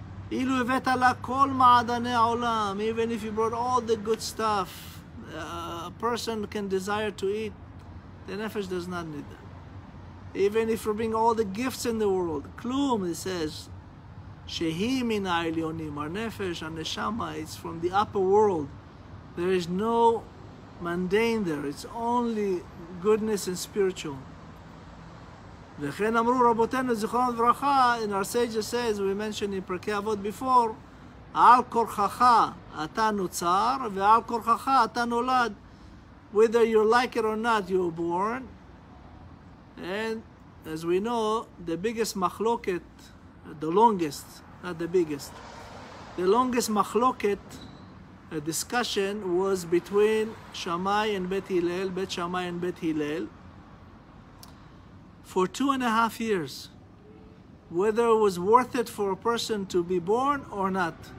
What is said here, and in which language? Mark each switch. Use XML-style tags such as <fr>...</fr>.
<he>Ilu evet ala kol ma'adane olam,</he> <en>even if you brought all the good stuff a person can desire to eat, the Nefesh does not need that. Even if you bring all the gifts in the world, klum, it says,</en> <he>Shehi min ha'elyonim,</he> <en>our Nefesh, our Neshama, it's from the upper world. There is no mundane there. It's only goodness and spiritual.</en> <he>וכן אמרו רבותינו זכרונם לברכה,</he> <en>and our sages say, as we mentioned in פרקי אבות before,</en> <he>על כורחך אתה נוצר ועל כורחך אתה נולד.</he> <en>Whether you like it or not, you were born. And as we know, the biggest machloket, the longest, not the biggest, the longest machloket, a discussion was between Shammai and Bet Hillel, Bet Shammai and Bet Hillel, for 2.5 years, whether it was worth it for a person to be born or not.</en>